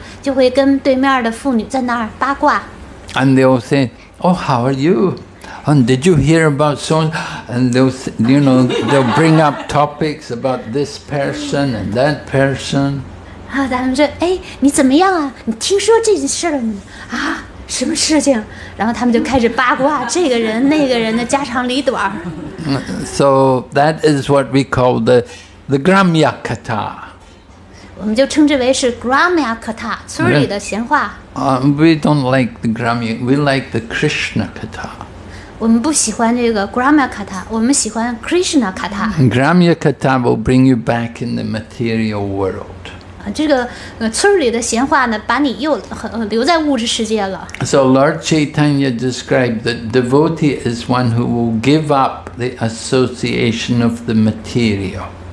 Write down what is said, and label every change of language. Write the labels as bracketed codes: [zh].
[zh] 村里的妇女呢，她们会去河边或者井边去取水或者做事的时候呢，就会跟对面的妇女在那儿八卦。 [en] And they'll say, oh, how are you? And did you hear about so-and-so? And they'll say, you know, they'll bring up topics about this person and that person. [zh] 他们说，哎，你怎么样啊？你听说这件事了吗？什么事情? 然后他们就开始八卦这个人那个人的家长里短。 [en] So that is what we call the gramya katha. [zh] 我们就称之为是gramya katha, 村里的闲话。 [en] We don't like the gramya, we like the Krishna katha. [zh] 我们不喜欢这个gramya katha, 我们喜欢Krishna katha. [en] Gramya katha will bring you back in the material world. [zh] 这个村里的闲话呢，把你又留在物质世界了。 [en] So Lord Chaitanya described that devotee is one who will give up the association of the material.